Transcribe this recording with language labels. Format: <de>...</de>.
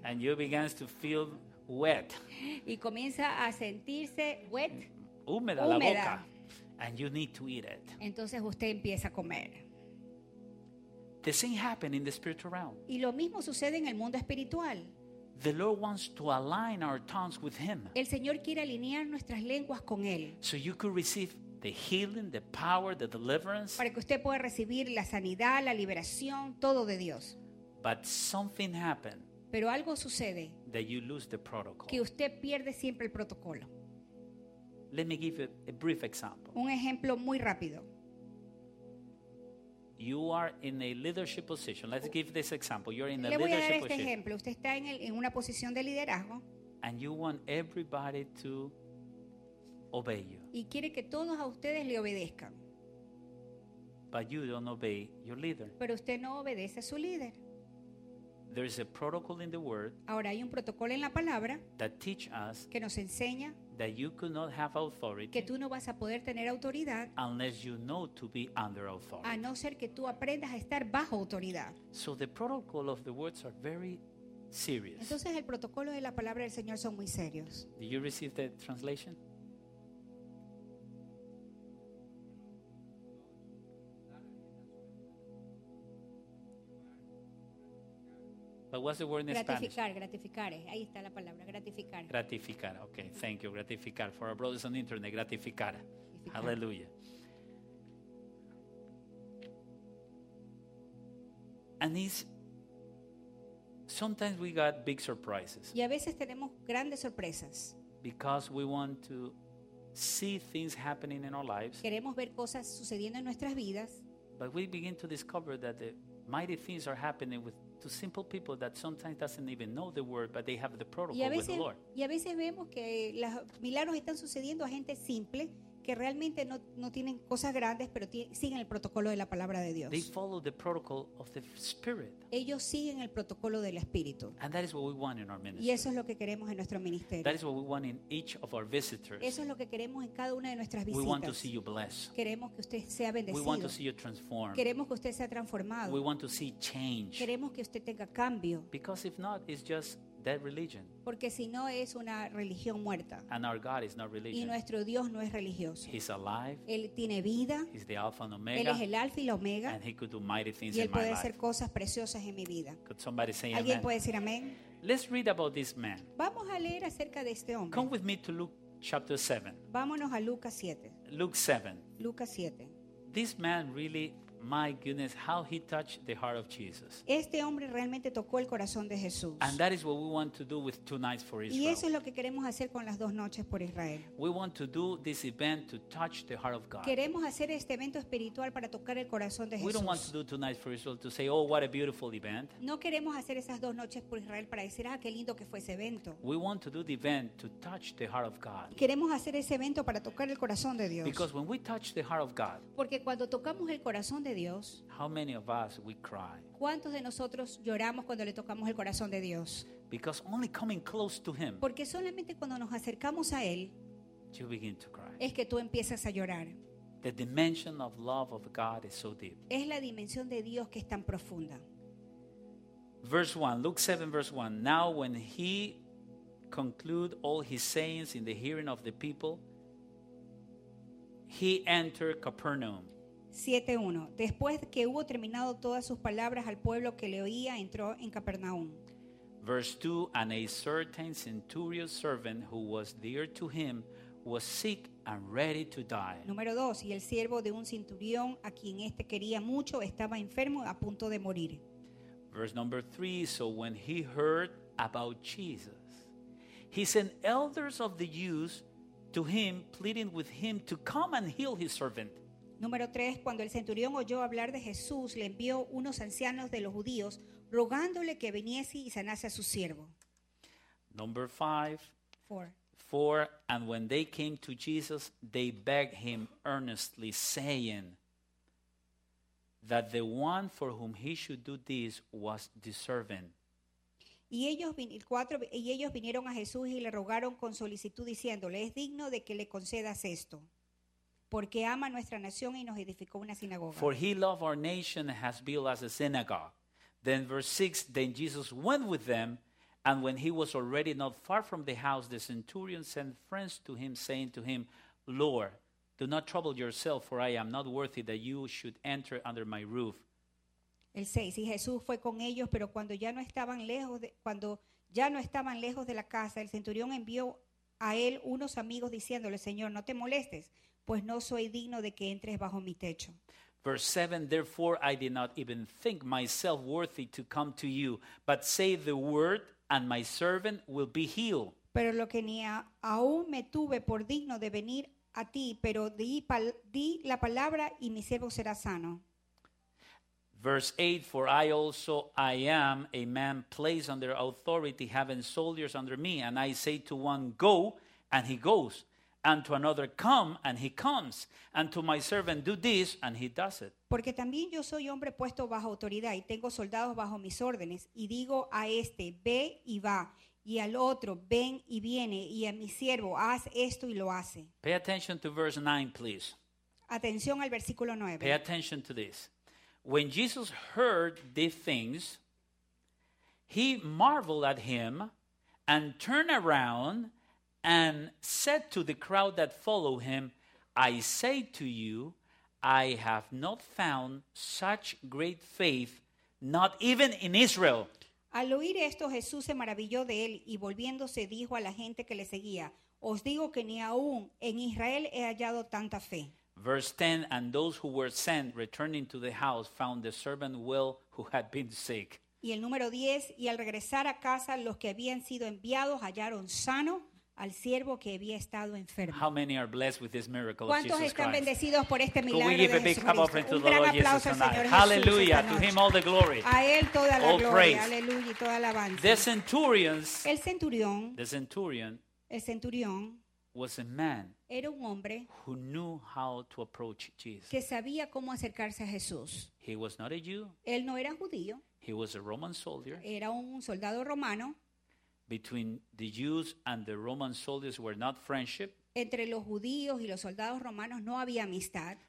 <en>And you begin to feel wet.</en> <es>Y comienza a sentirse wet. Húmeda, húmeda la boca.</es> <en>And you need to eat it.</en> <es>Entonces usted empieza a comer.</es> <en>The same happened in the spiritual realm.</en> <es>Y lo mismo sucede en el mundo espiritual.</es> <en>The Lord wants to align our tongues with Him.</en> <es>El Señor quiere alinear nuestras lenguas con Él.</es> <en>So you could receive the healing, the power, the deliverance.</en> <es>Para que usted pueda recibir la sanidad, la liberación, todo de Dios.</es> <en>But something happened.</en> <es>Pero algo sucede.</es> <en>That you lose the protocol.</en> <es>Que usted pierde siempre el protocolo.</es> <en>Let me give you a brief example.</en> <es>Un ejemplo muy rápido.</es> <en>You are in a leadership position. Let's give this example. You're in a leadership</en> <es>Le voy a dar este ejemplo. Usted está en una posición de liderazgo.</es> <en>And you want everybody to obey you.</en> <es>Y quiere que todos a ustedes le obedezcan.</es> <en>But you don't obey your leader.</en> <es>Pero usted no obedece a su líder.</es> <en>There is a protocol in the word.</en> <es>Ahora hay un protocolo en la palabra.</es> <en>That teach us.</en> <es>Que nos enseña.</es> <en>That you could not have authority.</en> <es>Que tú no vas a poder tener autoridad.</es> <en>Unless you know to be under authority.</en> <es>A no ser que tú aprendas a estar bajo autoridad.</es> <en>So the protocol of the words are very serious.</en> <es>Entonces el protocolo de la palabra del Señor son muy serios.</es> <en>Did you receive the translation? What's the word in</en> <es>gratificar,</es> <en>Spanish?</en> <es>Gratificar, ahí está la palabra, gratificar.</es> <en>Gratificar, okay, thank you, gratificar. For our brothers on the internet, gratificar. Gratificar. Hallelujah. And it's, sometimes we got big surprises.</en> <es>Y a veces tenemos grandes sorpresas.</es> <en>Because we want to see things happening in our lives.</en> <es>Queremos ver cosas sucediendo en nuestras vidas.</es> <en>But we begin to discover that the mighty things are happening with to simple people that sometimes doesn't even know the word, but they have the protocol</en> <es>veces,</es> <en>with the Lord.</en> <es>Y a veces vemos que los milagros están sucediendo a gente simple que realmente no tienen cosas grandes, pero siguen el protocolo de la palabra de Dios.</es> <en>They follow the protocol of the Spirit.</en> <es>Ellos siguen el protocolo del Espíritu.</es> <en>And that is what we want in our ministry.</en> <es>Y eso es lo que queremos en nuestro ministerio.</es> <en>That is what we want in each of our visitors.</en> <es>Eso es lo que queremos en cada una de nuestras visitas.</es> <en>We want to see you blessed.</en> <es>Queremos que usted sea bendecido.</es> <en>We want to see you transformed.</en> <es>Queremos que usted sea transformado.</es> <en>We want to see change.</en> <es>Queremos que usted tenga cambio.</es> <en>Because if not, it's just dead religion.</en> <es>Porque si no es una religión muerta.</es> <en>And our God is not religion.</en> <es>Y nuestro Dios no es religioso.</es> <en>He's alive.</en> <es>Él tiene vida.</es> <en>He's the Alpha and Omega.</en> <es>Él es el Alfa y la Omega.</es> <en>And he could do mighty things</en> <es>y él</es> <en>in</en> <es>puede</es> <en>my</en> <es>hacer</es> <en>life.</en> <es>Cosas preciosas en mi vida.</es> <en>Could somebody say</en> <es>¿alguien</es> <en>amen?</en> <es>Puede decir amén?</es> <en>Let's read about this man.</en> <es>Vamos a leer acerca de este hombre.</es> <en>Come with me to Luke chapter 7.</en> <es>Vámonos a Lucas 7.</es> <en>Luke 7.</en> <es>Lucas 7.</es> <en>This man really, my goodness, how he touched the heart of Jesus.</en> <es>Este hombre realmente tocó el corazón de Jesús.</es> <en>And that is what we want to do with two nights for Israel.</en> <es>Y eso es lo que queremos hacer con las dos noches por Israel.</es> <en>We want to do this event to touch the heart of God.</en> <es>Queremos hacer este evento espiritual para tocar el corazón de Jesús.</es> <en>We don't want to do two nights for Israel to say, oh, what a beautiful event.</en> <es>No queremos hacer esas dos noches por Israel para decir, ah, qué lindo que fue ese evento.</es> <en>We want to do the event to touch the heart of God.</en> <es>Queremos hacer ese evento para tocar el corazón de Dios.</es> <en>Because when we touch the heart of God.</en> <es>Porque cuando tocamos el corazón de Dios.</es> <en>How many of us we cry?</en> <es>¿Cuántos de nosotros lloramos cuando le tocamos el corazón de Dios?</es> <en>Because only coming close to Him.</en> <es>Porque solamente cuando nos acercamos a Él.</es> <en>You begin to cry.</en> <es>Es que tú empiezas a llorar.</es> <en>The dimension of love of God is so deep.</en> <es>Es la dimensión de Dios que es tan profunda.</es> <en>Verse 1, Luke 7 verse 1. Now when he concluded all his sayings in the hearing of the people, he entered Capernaum.</en> <es>7:1. Después que hubo terminado todas sus palabras al pueblo que le oía, entró en Capernaum.</es> <en>Verse 2. And a certain centurion's servant who was dear to him was sick and ready to die.</en> <es>Número 2. Y el siervo de un centurión a quien este quería mucho estaba enfermo a punto de morir.</es> <en>Verse number 3. So when he heard about Jesus, he sent elders of the Jews to him, pleading with him to come and heal his servant.</en> <es>Número 3, cuando el centurión oyó hablar de Jesús, le envió unos ancianos de los judíos rogándole que viniese y sanase a su siervo.</es> <en>Number 5. 4. And when they came to Jesus, they begged him earnestly, saying that the one for whom he should do this was deserving.</en> <es>Y ellos vinieron a Jesús y le rogaron con solicitud, diciéndole: es digno de que le concedas esto, porque ama nuestra nación y nos edificó una sinagoga.</es> <en>For he loved our nation and has built us a synagogue. Then verse 6, then Jesus went with them, and when he was already not far from the house, the centurion sent friends to him, saying to him, Lord, do not trouble yourself, for I am not worthy that you should enter under my roof.</en> <es>El 6, y Jesús fue con ellos, pero cuando ya no estaban lejos de la casa, el centurión envió a él unos amigos diciéndole: Señor, no te molestes, pues no soy digno de que entres bajo mi techo.</es> <en>Verse 7, therefore I did not even think myself worthy to come to you, but say the word and my servant will be healed.</en> <es>Pero lo que ni aún me tuve por digno de venir a ti, pero di la palabra y mi siervo será sano.</es> <en>Verse 8, for I am a man placed under authority, having soldiers under me, and I say to one, go, and he goes. And to another, come, and he comes. And to my servant, do this, and he does it.</en> <es>Porque también yo soy hombre puesto bajo autoridad, y tengo soldados bajo mis órdenes. Y digo a este, ve y va, y al otro, ven y viene, y a mi siervo, haz esto y lo hace.</es> <en>Pay attention to verse 9, please.</en> <es>Atención al versículo 9.</es> <en>Pay attention to this. When Jesus heard these things, he marveled at him, and turned around, and said to the crowd that followed him, I say to you, I have not found such great faith, not even in Israel.</en> <es>Al oír esto, Jesús se maravilló de él y volviéndose dijo a la gente que le seguía, os digo que ni aún en Israel he hallado tanta fe.</es> <en>Verse 10, and those who were sent returning to the house found the servant well who had been sick.</en> <es>Y el número 10, y al regresar a casa los que habían sido enviados hallaron sano al siervo que había estado enfermo.</es> <en>How many are blessed with this miracle?</en> <es>¿Cuántos</es> <en>Jesus</en> <es>están</es> <en>Christ?</en> <es>Bendecidos por este milagro de Jesucristo? Un gran aplauso al Señor Jesús.</es> <en>Hallelujah, to him all the glory.</en> <es>A él toda la gloria. Aleluya, toda alabanza.</es> <en>The centurions.</en> <es>El centurión.</es> <en>The centurion.</en> <es>El centurión.</es> <en>Was a man.</en> <es>Era un hombre.</es> <en>Who knew how to approach Jesus.</en> <es>Que sabía cómo acercarse a Jesús.</es> <en>He was not a Jew.</en> <es>Él no era judío.</es> <en>He was a Roman soldier.</en> <es>Era un soldado romano.</es> <en>Between the Jews and the Roman soldiers were not friendship.</en> <es>Entre los judíos y los soldados romanos no había amistad.</es>